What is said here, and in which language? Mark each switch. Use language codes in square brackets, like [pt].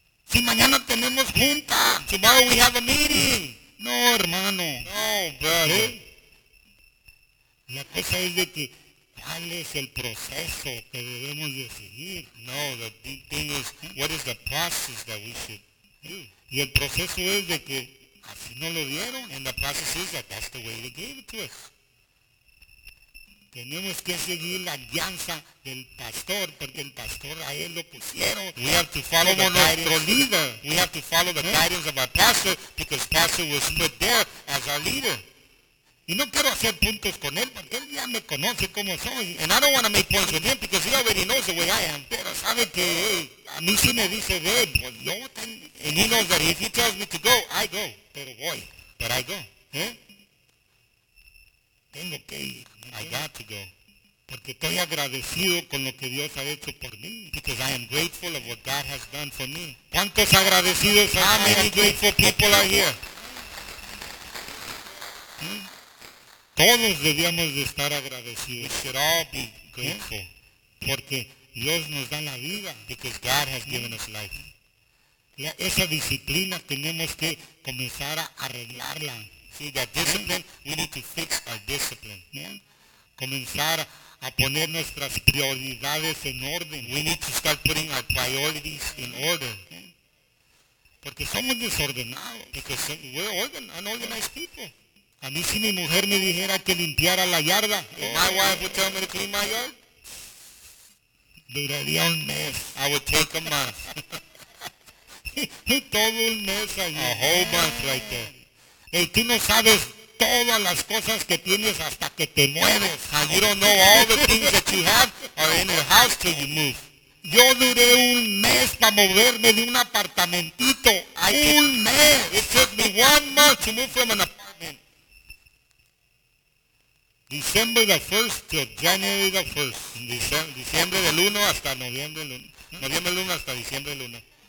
[es] Si mañana tenemos junta. [en] Tomorrow we have a meeting. [es] No, hermano. [en] No, brother. [es] La cosa es de que, ¿cuál es el proceso que debemos de seguir? [en] No, the thing is, what is the process that we should do? [es] Y el proceso es de que, así no lo dieron. [en] And the process is that that's the way they gave it to us. [es] Tenemos que seguir la guianza del pastor, porque el pastor a él lo pusieron. [en] We have to follow the [es] nuestro líder. [en] We have to follow the guidance of our pastor, because pastor was put there as our leader. [es] Y no quiero hacer puntos con él, porque él ya me conoce como soy. [en] And I don't want to make points with him, because he already knows the way I am. [es] Pero sabe que, a mí sí me dice, ve, pues yo tengo. [en] And he knows that if he tells me to go, I go. [es] Pero voy. [en] But I go. [es] Tengo que ir. [en] I got to go. [es] Porque estoy agradecido con lo que Dios ha hecho por mí. [en] Because I am grateful of what God has done for me. [es] ¿Cuántos agradecidos [en] are here? How many grateful people are here? [es] Todos debíamos de estar agradecidos. [en] We should all be grateful. [es] Porque Dios nos da la vida. [en] Because God has given us life. [es] La, esa disciplina tenemos que comenzar a arreglarla. [en] See, that discipline, we need to fix our discipline. [es] Comenzar a poner nuestras prioridades en orden. [en] We need to start putting our priorities in order. [es] Porque somos desordenados. [en] Because we're unorganized people. [es] A mí si mi mujer me dijera que limpiara la yarda. [en] If my wife would tell me to clean my yard. [es] Duraría un mes. [en] I would take a month. [es] Todo un mes ahí. [en] A whole month right there. [es] Hey, tú no sabes todas las cosas que tienes hasta que te mueves. [en] And you don't know all the things that you have are in your house till you move. [es] Yo duré un mes para moverme de un apartamentito. Un mes. [en] It took me 1 month to move from an apartment. December the 1st to January the 1st. [es] Diciembre del 1 hasta noviembre del 1. Noviembre del 1 hasta diciembre del 1.